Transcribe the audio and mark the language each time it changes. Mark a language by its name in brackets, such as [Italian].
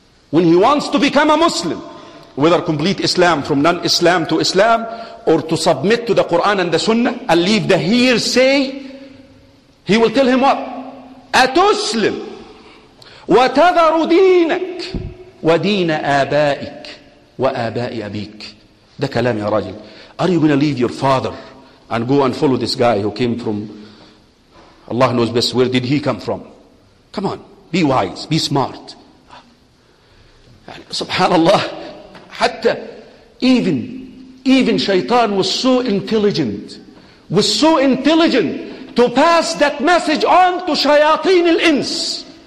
[English] When he wants to become a Muslim, whether complete Islam, from non-Islam to Islam, or to submit to the Quran and the Sunnah, and leave the hearsay, he will tell him what? [Arabic] أتسلم وتذر دينك ودين آبائك وآباء أبيك. ده كلام يا راجل. [English] Are you going to leave your father and go and follow this guy who came from, Allah knows best, where did he come from? Come on, be wise, be smart. [Arabic] يعني سبحان الله، حتى [English] even شيطان was so intelligent to pass that message on to [Arabic] شياطين الإنس.